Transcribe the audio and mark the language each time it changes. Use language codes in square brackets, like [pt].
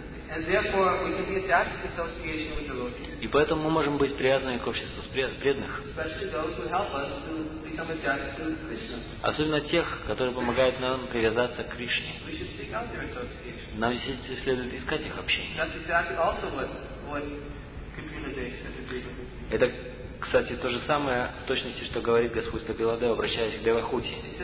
[en] And therefore, we can be attached to association with devotees. [ru] И поэтому мы можем быть привязанными к обществу преданных. [en] Especially those who help us to become attached to Krishna. [ru] Особенно тех, которые помогают нам привязаться к Кришне. [en] We should seek out their association. [ru] Нам действительно следует искать их общение. [en] That's exactly also what Kapiladeva said. [ru] Это, кстати, то же самое в точности, что говорит Господь Капиладева, обращаясь к Девахути.